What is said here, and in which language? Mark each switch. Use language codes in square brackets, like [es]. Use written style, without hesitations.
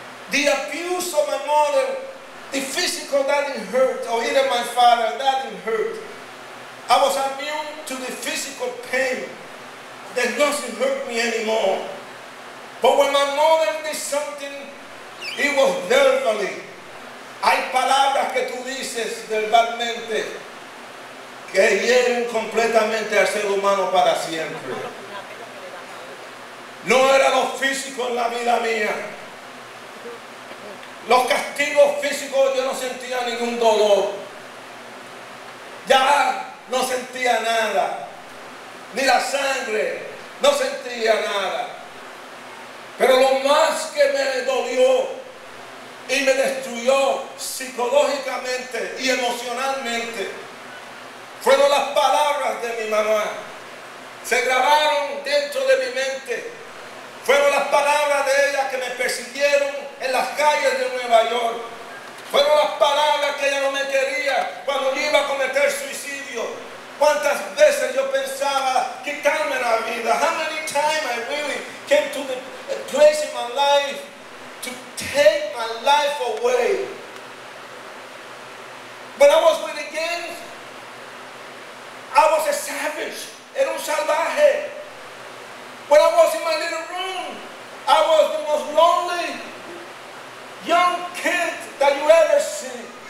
[en] The abuse of my mother, the physical, that didn't hurt, or even my father, that didn't hurt. I was immune to the physical pain. That doesn't hurt me anymore. But when my mother did something, it was verbally. [es] Hay palabras que tú dices verbalmente que hieren completamente al ser humano para siempre. No era lo físico en la vida mía. Los castigos físicos, yo no sentía ningún dolor. Ya no sentía nada. Ni la sangre, no sentía nada. Pero lo más que me dolió y me destruyó psicológicamente y emocionalmente fueron las palabras de mi mamá. Se grabaron dentro de mi mente. Fueron las palabras de ella que me persiguieron en las calles de Nueva York. Fueron las palabras que ella no me quería cuando yo iba a cometer suicidio. ¿Cuántas veces yo pensaba quitarme la vida? [en] How many times I really came to the place in my life to take my life away? But I was with the gang. I was a savage. [es] Era un salvaje. [en] When I was in my little room, I was the most lonely young kid that you ever see.